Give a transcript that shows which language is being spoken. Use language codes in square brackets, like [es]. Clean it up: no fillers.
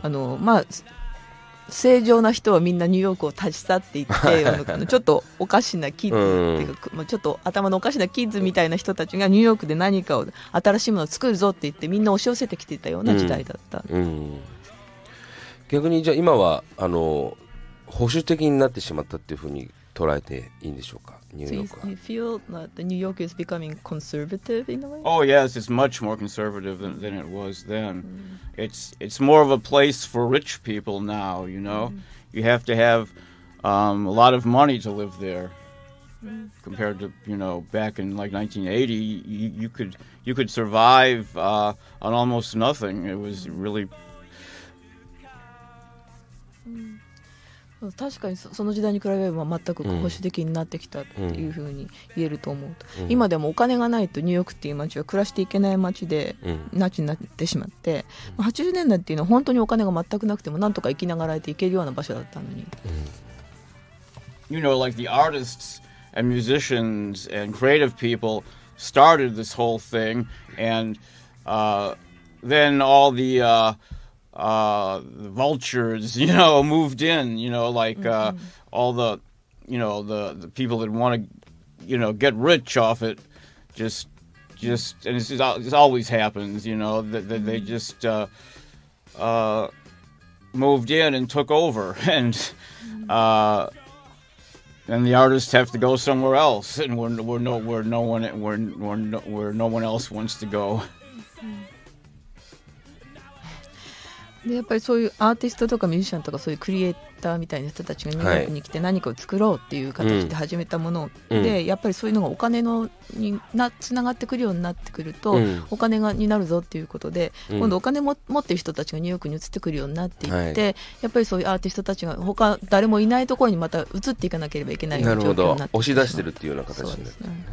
[ja] あのまあ正常な人はみんなニューヨークを立ち去っていってちょっとおかしなキッズっていうか、うん、ちょっと頭のおかしなキッズみたいな人たちがニューヨークで何かを新しいものを作るぞって言ってみんな押し寄せてきていたような時代だった、うんうん、逆にじゃあ今はあの保守的になってしまったっていうふうに捉えていいんでしょうか、ニューヨークは。 [en] So you feel that the New York is becoming conservative in a way? Oh yes, it's much more conservative than it was then.、Mm. It's more of a place for rich people now, you know?、Mm. You have to have、a lot of money to live there、mm. compared to, you know, back in like 1980, you could survive、on almost nothing. It was really... [ja] うん、確かに その時代に比べれば全く保守的になってきたっていうふうに言えると思うと、うん、今でもお金がないとニューヨークっていう街は暮らしていけない街で、うん、ナチになってしまって、まあ、80年代っていうのは本当にお金が全くなくてもなんとか生きながらえていけるような場所だったのに、 [en] うん、You know, like the artists and musicians and creative people started this whole thing and、then all the、vultures, you know, moved in, you know, like、mm-hmm. all the, you know, the people that want to, you know, get rich off it, just, and this always happens, you know, that、mm-hmm. they just moved in and took over, and、mm-hmm. and the artists have to go somewhere else, and where no one else wants to go. [ja] でやっぱりそういうアーティストとかミュージシャンとかそういうクリエイターみたいな人たちがニューヨークに来て何かを作ろうっていう形で始めたもので、はい、やっぱりそういうのがお金のにつながってくるようになってくると、うん、お金がになるぞっていうことで、うん、今度お金も持ってる人たちがニューヨークに移ってくるようになっていって、はい、やっぱりそういうアーティストたちが他誰もいないところにまた移っていかなければいけないような状況になってしまう。なるほど、押し出してるっていうような形になって